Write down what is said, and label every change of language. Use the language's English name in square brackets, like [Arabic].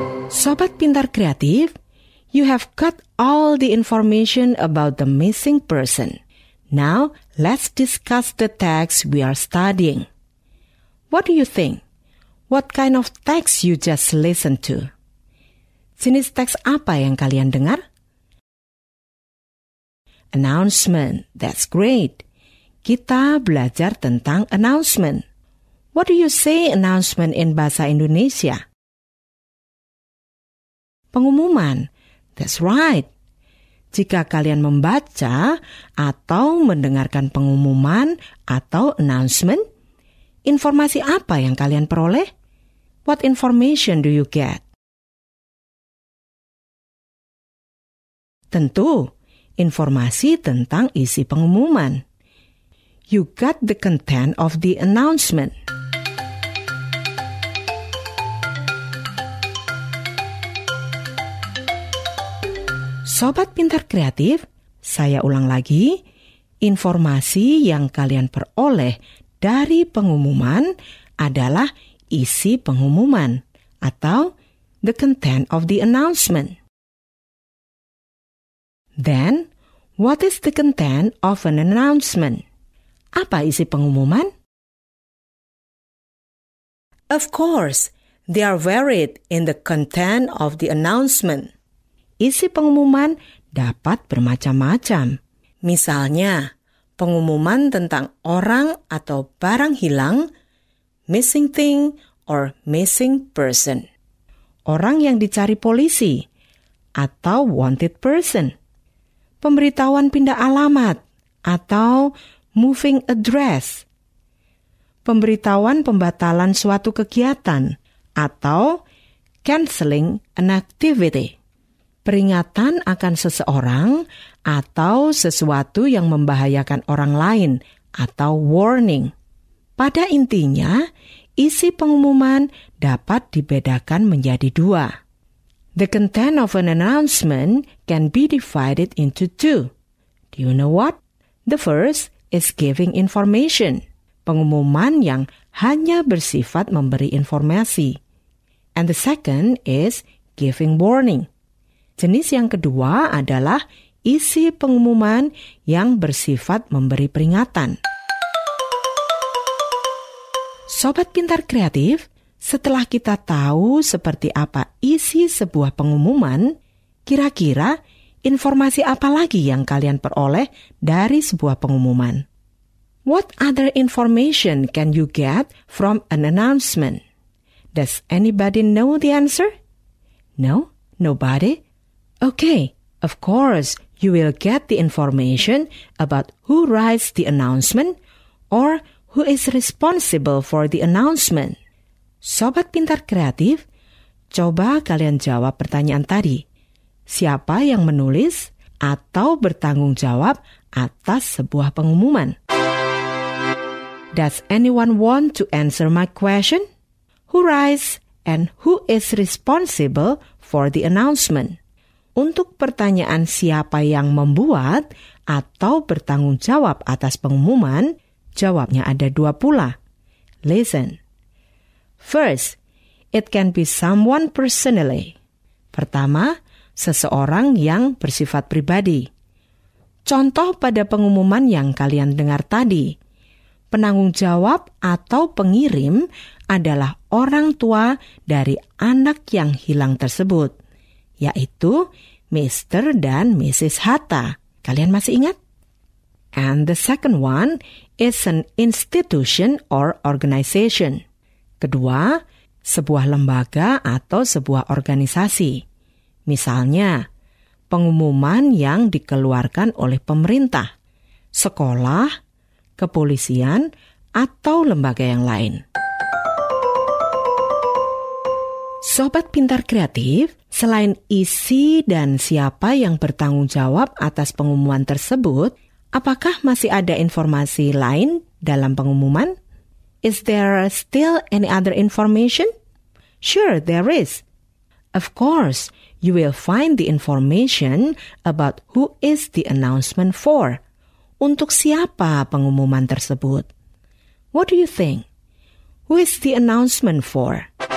[English] Sobat Pintar Kreatif, you have got all the information about the missing person. Now, let's discuss the text we are studying. What do you think? What kind of text you just listened to? [Indonesian] Jenis teks apa yang kalian dengar? Announcement, [English] that's great. [Indonesian] Kita belajar tentang announcement. [English] What do you say announcement in bahasa Indonesia? Pengumuman, that's right. [Indonesian] Jika kalian membaca atau mendengarkan pengumuman atau announcement, informasi apa yang kalian peroleh? [English] What information do you get? [Indonesian] Tentu, informasi tentang isi pengumuman. [English] You got the content of the announcement. [Indonesian] Sobat Pintar Kreatif, saya ulang lagi, informasi yang kalian peroleh dari pengumuman adalah isi pengumuman atau [English] the content of the announcement. Then, what is the content of an announcement? [Indonesian] Apa isi pengumuman? [English] Of course, they are varied in the content of the announcement. [Indonesian] Isi pengumuman dapat bermacam-macam. Misalnya, pengumuman tentang orang atau barang hilang, [English] missing thing or missing person. [Indonesian] Orang yang dicari polisi atau [English] wanted person. [Indonesian] Pemberitahuan pindah alamat atau [English] moving address. [Indonesian] Pemberitahuan pembatalan suatu kegiatan atau [English] canceling an activity. [Indonesian] Peringatan akan seseorang atau sesuatu yang membahayakan orang lain atau warning. Pada intinya, isi pengumuman dapat dibedakan menjadi dua. [English] The content of an announcement can be divided into two. Do you know what? The first is giving information. [Indonesian] Pengumuman yang hanya bersifat memberi informasi. [English] And the second is giving warning. [Indonesian] Jenis yang kedua adalah isi pengumuman yang bersifat memberi peringatan. Sobat Pintar Kreatif, setelah kita tahu seperti apa isi sebuah pengumuman, kira-kira informasi apa lagi yang kalian peroleh dari sebuah pengumuman? [English] What other information can you get from an announcement? Does anybody know the answer? No? Nobody? Okay, of course, you will get the information about who writes the announcement or who is responsible for the announcement. [Indonesian] Sobat Pintar Kreatif, coba kalian jawab pertanyaan tadi. Siapa yang menulis atau bertanggung jawab atas sebuah pengumuman? [English] Does anyone want to answer my question? Who writes and who is responsible for the announcement? [Indonesian] Untuk pertanyaan siapa yang membuat atau bertanggung jawab atas pengumuman, jawabnya ada dua pula. [English] Listen. First, it can be someone personally. [Indonesian] Pertama, seseorang yang bersifat pribadi. Contoh pada pengumuman yang kalian dengar tadi. penanggung jawab atau pengirim adalah orang tua dari anak yang hilang tersebut, yaitu Mr. dan Mrs. Hatta. Kalian masih ingat? [English] And the second one is an institution or organization. [Indonesian] Kedua, sebuah lembaga atau sebuah organisasi. Misalnya, pengumuman yang dikeluarkan oleh pemerintah, sekolah, kepolisian, atau lembaga yang lain. Sobat Pintar Kreatif, selain isi dan siapa yang bertanggung jawab atas pengumuman tersebut, apakah masih ada informasi lain dalam pengumuman? [English] Is there still any other information? Sure, there is. Of course, you will find the information about who is the announcement for. [Indonesian] Untuk siapa pengumuman tersebut? [English] What do you think? Who is the announcement for?